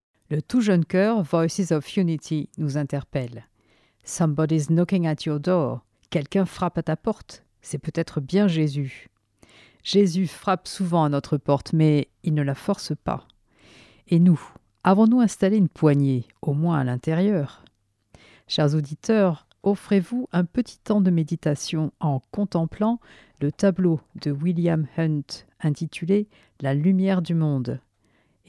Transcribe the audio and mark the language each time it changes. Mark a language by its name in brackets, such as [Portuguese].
[French] Le tout jeune chœur Voices of Unity nous interpelle. [English] Somebody's knocking at your door. [French] Quelqu'un frappe à ta porte. C'est peut-être bien Jésus. Jésus frappe souvent à notre porte, mais il ne la force pas. Et nous, avons-nous installé une poignée, au moins à l'intérieur? Chers auditeurs, offrez-vous un petit temps de méditation en contemplant le tableau de William Hunt intitulé « La lumière du monde ».